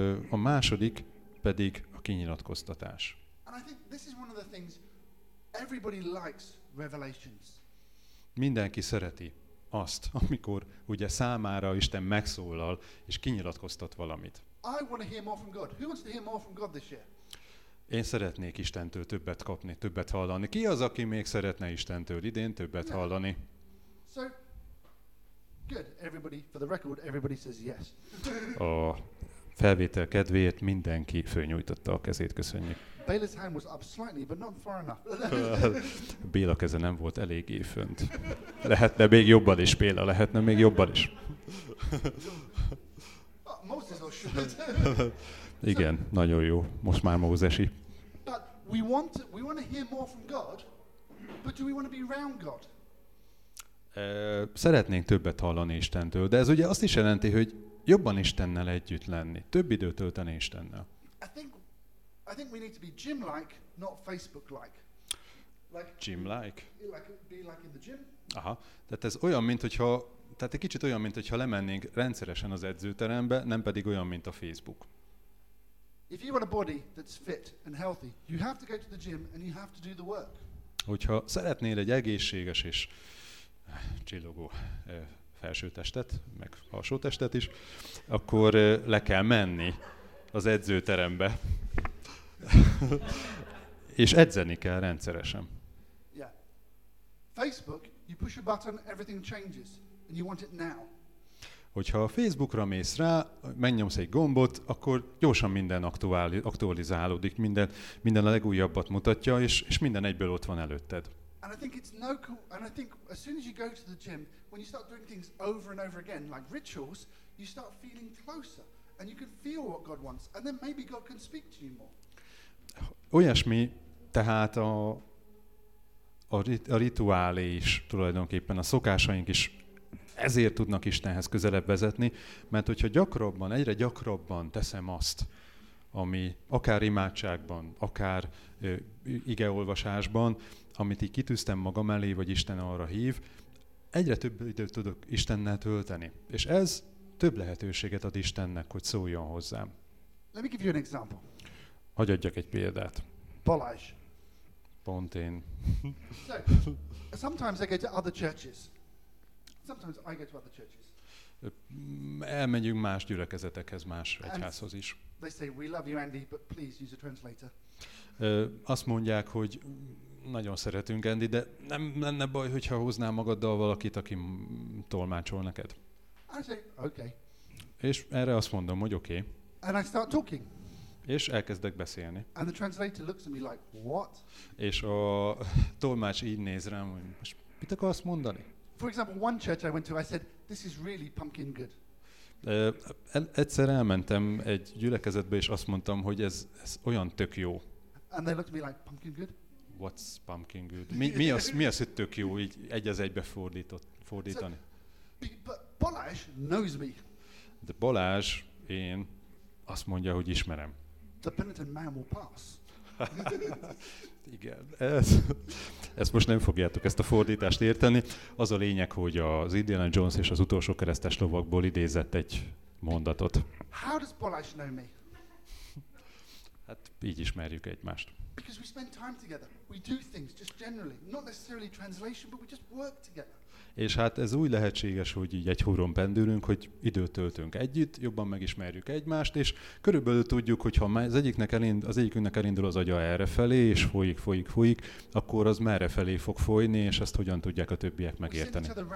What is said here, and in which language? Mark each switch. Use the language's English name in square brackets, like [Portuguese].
[Hungarian] A második pedig a kinyilatkoztatás. [English] And I think this is one of the things everybody likes revelations. [Hungarian] Mindenki szereti azt, amikor ugye számára Isten megszólal és kinyilatkoztat valamit. [English] I want to hear more from God. Who wants to hear more from God this year? [Hungarian] Én szeretnék Istentől többet kapni, többet hallani. Ki az, aki még szeretne Istentől idén többet hallani? [English] So, good, everybody, for the record, everybody says yes. [Hungarian] A felvétel kedvéért mindenki fölnyújtotta a kezét, köszönjük. [English] Béla's hand was up slightly, but not far enough. [Hungarian] Béla keze nem volt eléggé fönt. Lehetne még jobban is, Béla, lehetne még jobban is. [English] Moses or should. [Hungarian] Igen, so, nagyon jó. Most már Mózesi. [English] But we want to hear more from God, but do we want to be around God? Szeretnénk többet hallani Istentől, de ez ugye azt is jelenti, hogy jobban Istennel együtt lenni, több időt tölteni Istennel. I think we need to be gym-like, not Facebook-like. Like gym-like. Be like in the gym. Aha. [Hungarian] Tehát ez olyan, mint hogyha, tehát egy kicsit olyan, mint hogyha lemennénk rendszeresen az edzőterembe, nem pedig olyan, mint a Facebook. [English] If you want a body that's fit and healthy, you have to go to the gym and you have to do the work. [Hungarian] Hogyha szeretnél egy egészséges és csillogó felső testet, meg alsó testet is, akkor le kell menni az edzőterembe. És edzeni kell rendszeresen. Yeah. [English] Facebook, you push a button, everything changes and you want it now. [Hungarian] Hogyha a Facebookra mész rá, megnyomsz egy gombot, akkor gyorsan minden aktualizálódik, minden a legújabbat mutatja, és minden egyből ott van előtted. [English] And I think it's no cool, and I think as soon as you go to the gym, when you start doing things over and over again, like rituals, you start feeling closer, and you can feel what God wants, and then maybe God can speak to you more. [Hungarian] Olyasmi, tehát a rituálé is tulajdonképpen, a szokásaink is, ezért tudnak Istenhez közelebb vezetni, mert hogyha gyakrabban, egyre gyakrabban teszem azt, ami akár imádságban, akár igeolvasásban, amit így kitűztem magam elé, vagy Isten arra hív, egyre több időt tudok Istennel tölteni. És ez több lehetőséget ad Istennek, hogy szóljon hozzám. [English] Let me give you an example. [Hungarian] Hogy adjak egy példát. Balázs. Pont én. [English] So, sometimes I go to other churches. Sometimes I go to other churches. [Hungarian] Elmegyünk más gyülekezetekhez, más egyházhoz is. [English] They say we love you, Andy, but please use a translator. [Hungarian] Azt mondják, hogy nagyon szeretünk Andy, de nem lenne baj, hogyha hoznál magaddal valakit, aki tolmácsol neked. [English] I say, okay. [Hungarian] És erre azt mondom, hogy oké. [English] And I start talking. [Hungarian] És elkezdek beszélni. [English] And the translator looks at me like, what? [Hungarian] És a tolmács így néz rám, hogy most mit akarsz mondani? [English] For example, one church I went to, I said, this is really pumpkin good. [Hungarian] Egyszer elmentem egy gyülekezetbe, és azt mondtam, hogy ez olyan tök jó. [English] And they looked at me like, pumpkin good? What's pumpkin good? [Hungarian] Mi az, hogy tök jó, így egy-az-egybe fordítani? [English] But Balázs knows me. [Hungarian] De Balázs, én azt mondja, hogy ismerem. [English] The penitent man will pass. [Hungarian] Igen, ezt most nem fogjátok ezt a fordítást érteni. Az a lényeg, hogy az Indiana Jones és az utolsó keresztes lovakból idézett egy mondatot. [English] How does Balázs know me? [Hungarian] Hát így ismerjük egymást. [English] Because we spend time together. We do things just generally, not necessarily translation, but we just work together. [Hungarian] És hát ez úgy lehetséges, hogy így egy húron pendülünk, hogy időt töltünk együtt, jobban megismerjük egymást, és körülbelül tudjuk, hogy ha az egyikünknek elindul az agya errefelé, és folyik, akkor az merre felé fog folyni, és ezt hogyan tudják a többiek megérteni.